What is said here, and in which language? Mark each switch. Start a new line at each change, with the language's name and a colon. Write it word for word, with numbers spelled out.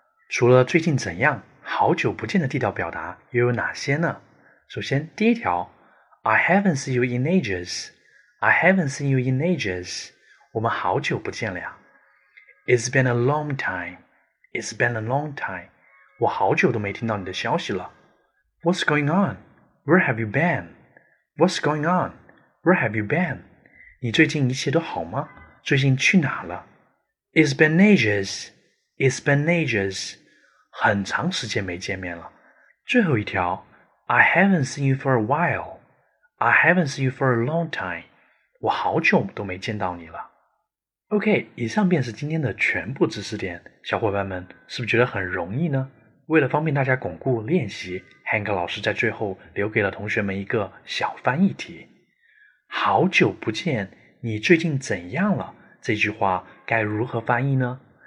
Chinese: 除了最近怎样，好久不见的地道表达又有哪些呢？首先，第一条
English: I haven't seen you in ages. I haven't seen you in ages.
Chinese: 我们好久不见了呀。
English: It's been a long time. It's been a long time.
Chinese: 我好久都没听到你的消息了。
English: What's going on? Where have you been? What's going on? Where have you been?
Chinese: 你最近一切都好吗？最近去哪了 ？
English: It's been ages. It's been ages.
Chinese: 很长时间没见面了。最后一条
English: ，I haven't seen you for a while. I haven't seen you for a long time.
Chinese: 我好久都没见到你了。 OK， 以上便是今天的全部知识点。小伙伴们，是不是觉得很容易呢？为了方便大家巩固练习 ，Hank 老师在最后留给了同学们一个小翻译题。好久不见，你最近怎样了？这句话该如何翻译呢？